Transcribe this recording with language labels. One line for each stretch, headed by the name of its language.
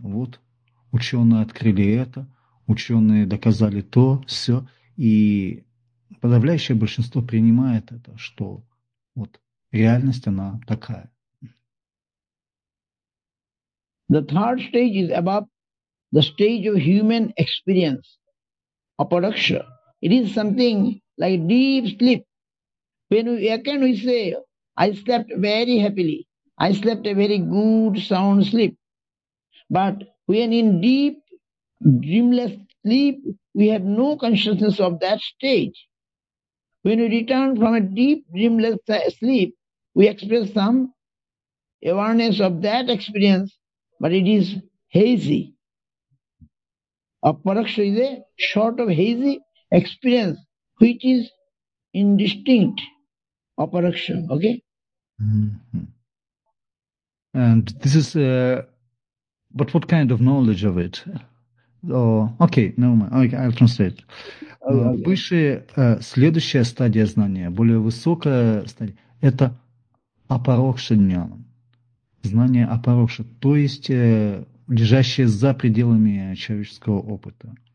Russian: Вот ученые открыли это, ученые доказали то, все, и подавляющее большинство принимает это, что вот реальность она такая.
English: The third stage is above the stage of human experience, aparaksha. It is something like deep sleep. When we awaken, we say, I slept very happily. I slept a very good, sound sleep. But when in deep, dreamless sleep, we have no consciousness of that stage. When we return from a deep, dreamless sleep, we express some awareness of that experience, but it is hazy. Aparaksha is a sort of hazy experience which is indistinct. Aparaksha, okay? Mm-hmm. And this is, but what kind of knowledge of it? Oh, okay, no, I'll translate.
Russian: Выше следующая стадия знания, более высокая стадия, это апарокша джняном. Знание апарокша, то есть лежащее за пределами человеческого опыта.